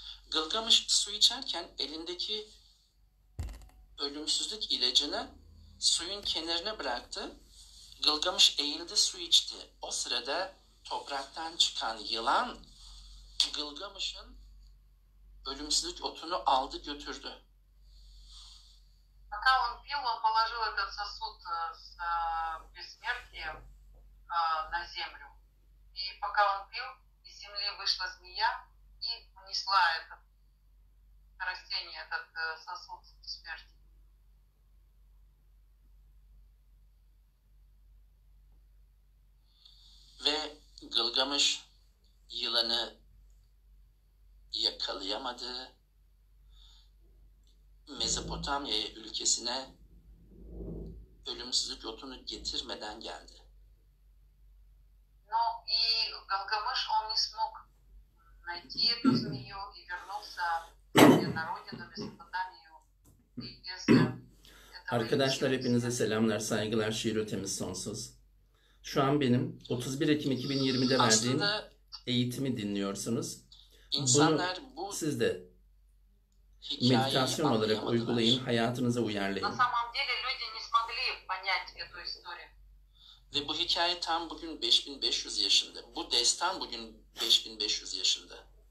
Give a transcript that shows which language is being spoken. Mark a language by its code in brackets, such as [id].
[tr] Gılgamış su içerken elindeki ölümsüzlük ilacını suyun kenarına bıraktı. Gılgamış eğildi, su içti. O sırada topraktan çıkan yılan Gılgamış'ın ölümsüzlük otunu aldı, götürdü. [ru] Пока он пил, он положил этот сосуд с бессмертием на землю. И пока он пил, из земли вышла змея и унесла этот растение, этот сосуд с бессмертием. [tr] Ve Gılgamış yılanı yakalayamadı. Mezopotamya'ya, ülkesine ölümsüzlük otunu getirmeden geldi. [ru] Но и Gılgamış он не смог найти эту змею и вернулся на родину Месопотамию. [tr] Arkadaşlar, hepinize selamlar, saygılar, şiir ötemiz sonsuz. Şu an benim 31 Ekim 2020'de verdiğim eğitimi dinliyorsunuz. İnsanlar bunu siz de meditasyon olarak uygulayın, hayatınıza uyarlayın. [ru] На самом деле люди не смогли понять эту историю. [tr] Ve bu hikaye tam bugün 5500 yaşında. Bu destan bugün 5500 yaşında.